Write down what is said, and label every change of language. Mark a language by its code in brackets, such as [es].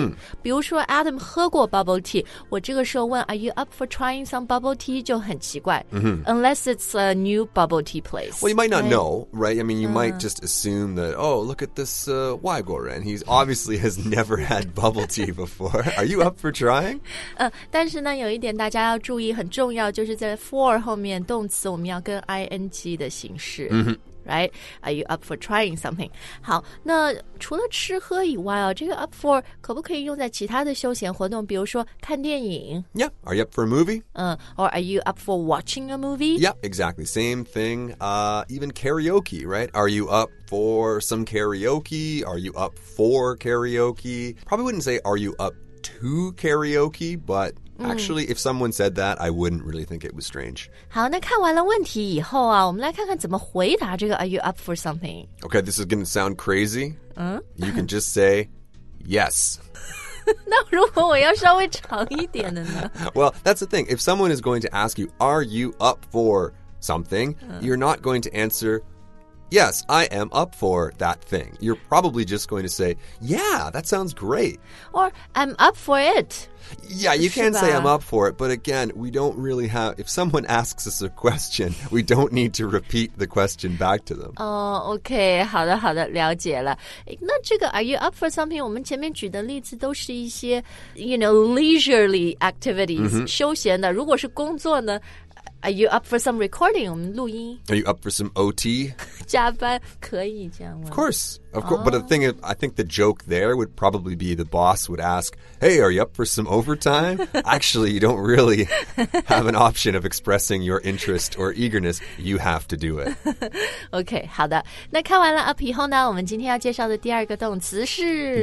[zh] Mm-hmm. 比如说 Adam 喝过 bubble tea, 我这个时候问 [en] are you up for trying some bubble tea [zh] 就很奇怪。 Mm-hmm. [en] Unless it's a new bubble tea place. Well, you might not know, right? I mean, you might just assume that, oh, look at this [zh] 外国人. [en] He obviously has never had bubble tea before. Are you up for trying? [zh] 但是呢，有一点大家要注意，很重要，就是在 for 后面动词我们要跟 ing 的形式。 Mm-hmm. [en] Right? Are you up for trying something? [zh] 好，那除了吃喝以外，这个 up for 可不可以用在其他的休闲活动，比如说看电影？ [en] Yeah, are you up for a movie? Or are you up for watching a movie? Yeah, exactly. Same thing. Even karaoke, right? Are you up for some karaoke? Are you up for karaoke? Probably wouldn't say, are you up to karaoke, but... Actually, if someone said that, I wouldn't really think it was strange. [zh] 好，那看完了问题以后啊，我们来看看怎么回答这个 [en] Are you up for something? Okay, this is going to sound crazy. 嗯？ You can just say, yes. [zh] 那如果我要稍微长一点的呢？ [en] Well, that's the thing. If someone is going to ask you, are you up for something? You're not going to answer, yes, I am up for that thing. You're probably just going to say, yeah, that sounds great. Or, I'm up for it. Yeah, you can say I'm up for it. But again, we don't really have, if someone asks us a question, we don't need to repeat the question back to them. Oh, okay. [zh] 好的好的了解了。那这个 [en] are you up for something? [zh] 我们前面举的例子都是一些 [en] you know, leisurely activities,、 mm-hmm. [zh] 休闲的。如果是工作呢 [en] Are you up for some recording? [zh] 我们录音。 [en] Are you up for some OT? [zh] 加班可以这样问。 [en] Of course. Of course.、Oh. But the thing is, I think the joke there would probably be the boss would ask, hey, are you up for some overtime? Actually, you don't really have an option of expressing your interest or eagerness. You have to do it. Okay, [zh] 好的。那看完了 up 以后呢我们今天要介绍的第二个动词是